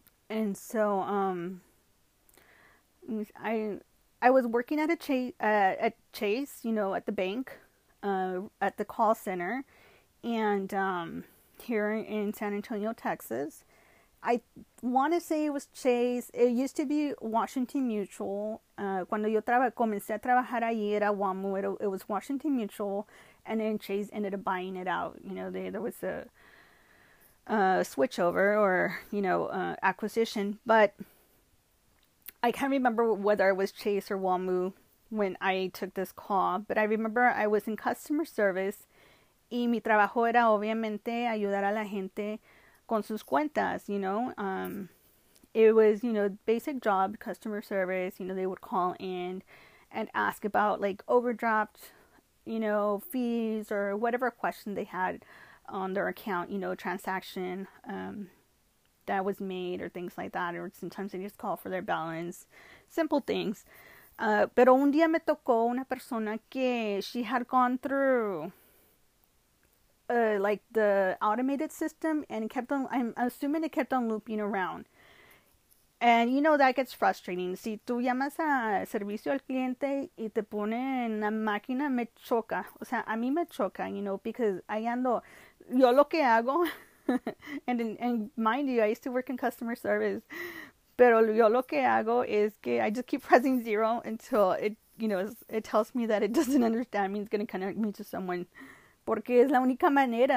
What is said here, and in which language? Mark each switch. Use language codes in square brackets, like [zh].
[en] And so, I was working at Chase, you know, at the bank, at the call center, and here in San Antonio, Texas. I want to say it was Chase. It used to be Washington Mutual. [es] Cuando yo comencé a trabajar ahí era WAMU. [en] It was Washington Mutual, and then Chase ended up buying it out. You know, there was a switchover or, you know, acquisition, but I can't remember whether it was Chase or WAMU when I took this call, but I remember I was in customer service, y mi trabajo era obviamente ayudar a la gente con sus cuentas, you know. It was, you know, basic job, customer service, you know, they would call in and ask about, like, overdraft, you know, fees or whatever question they had on their account, you know, transaction, that was made or things like that, or sometimes they just call for their balance, simple things. Pero un día me tocó una persona que she had gone through like the automated system and kept on, I'm assuming it kept on looping around. And you know, that gets frustrating. [es] Si tú llamas a servicio al cliente y te ponen la máquina, me choca. O sea, a mí me choca, you know, because ahí ando, yo lo que hago. [en] And mind you, I used to work in customer service, pero yo lo que hago is que I just keep pressing zero until it, you know, it tells me that it doesn't understand me, it's going to connect me to someone, porque es la única manera.